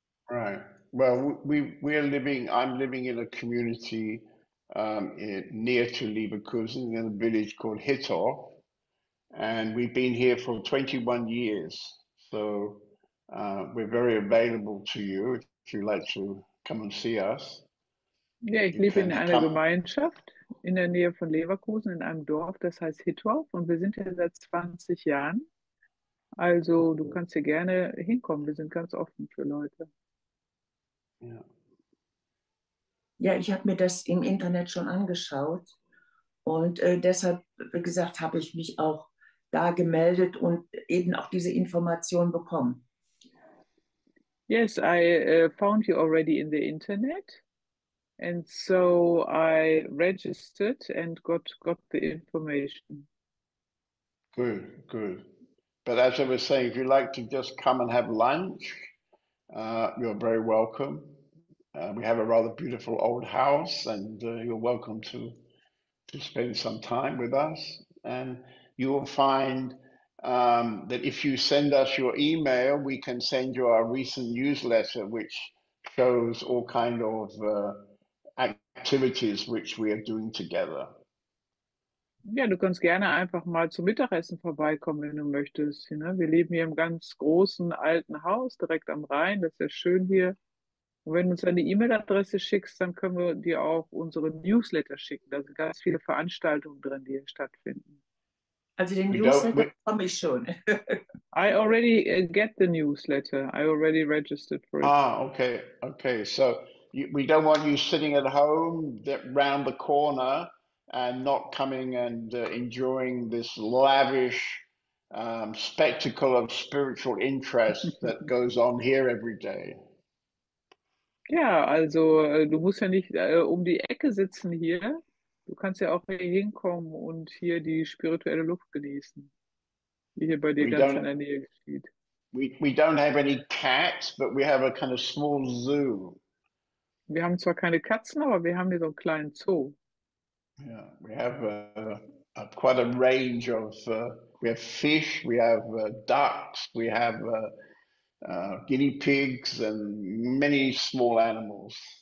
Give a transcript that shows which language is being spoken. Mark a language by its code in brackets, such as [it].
[en] Right. Well, I'm living in a community near to Leverkusen in a village called Hittorf. And we've been here for 21 years. So we're very available to you if you'd like to come and see us. [de] Yeah, ich lebe in einer Gemeinschaft in der Nähe von Leverkusen in einem Dorf, das heißt Hittorf. Und wir sind hier seit 20 Jahren. Also, du kannst hier gerne hinkommen. Wir sind ganz offen für Leute. Ja, ich habe mir das im Internet schon angeschaut. Und deshalb, wie gesagt, habe ich mich auch da gemeldet und eben auch diese Information bekommen. [en] Yes, I found you already in the Internet. And so I registered and got the information. Good, good. But as I was saying, if you'd like to just come and have lunch, you're very welcome. We have a rather beautiful old house, and you're welcome to spend some time with us. And you will find that if you send us your email, we can send you our recent newsletter, which shows all kind of activities which we are doing together. [de] Ja, du kannst gerne einfach mal zum Mittagessen vorbeikommen, wenn du möchtest. Wir leben hier im ganz großen alten Haus, direkt am Rhein. Das ist ja schön hier. Und wenn du uns eine E-Mail-Adresse schickst, dann können wir dir auch unsere Newsletter schicken. Da sind ganz viele Veranstaltungen drin, die hier stattfinden. Also den Newsletter bekomme ich schon. [en] I already get the newsletter. I already registered for it. Ah, okay. Okay, so we don't want you sitting at home round the corner and not coming and enjoying this lavish spectacle of spiritual interest that goes on here every day. [de] Ja, also du musst ja nicht um die Ecke sitzen hier. Du kannst ja auch hier hinkommen und hier die spirituelle Luft genießen, wie hier bei dir ganz in der Nähe geschieht. [en] We don't have any cats, but we have a kind of small zoo. [de] Wir haben zwar keine Katzen, aber wir haben hier so einen kleinen Zoo. [en] Yeah, we have quite a range of, we have fish, we have ducks, we have guinea pigs and many small animals.